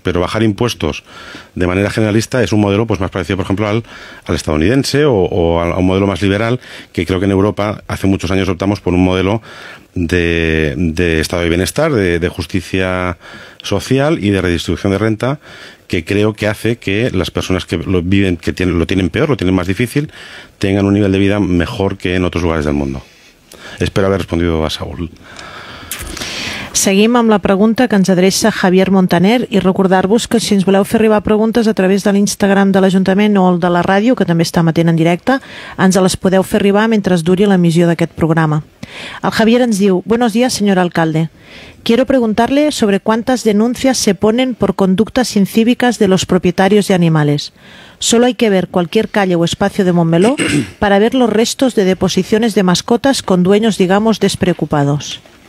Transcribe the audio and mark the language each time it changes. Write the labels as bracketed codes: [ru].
[es] Pero bajar impuestos de manera generalista es un modelo pues más parecido, por ejemplo, al estadounidense o a un modelo más liberal, que creo que en Europa hace muchos años optamos por un modelo de estado de bienestar, de justicia social y de redistribución de renta, que creo que hace que las personas que lo viven, que lo tienen peor, lo tienen más difícil, tengan un nivel de vida mejor que en otros lugares del mundo. Espero haber respondido a Saúl. [ca] Seguim amb la pregunta que ens adreça Javier Montaner i recordar-vos que si ens voleu fer arribar preguntes a través de l'Instagram de l'Ajuntament o el de la ràdio, que també està emetent en directe, ens les podeu fer arribar mentre duri l'emissió d'aquest programa. El Javier ens diu: [es] Buenos días, señor alcalde. Quiero preguntarle sobre cuántas denuncias se ponen por conductas incívicas de los propietarios de animales. Solo hay que ver cualquier calle o espacio de Montmeló para ver los restos de deposiciones de mascotas con dueños, digamos, despreocupados.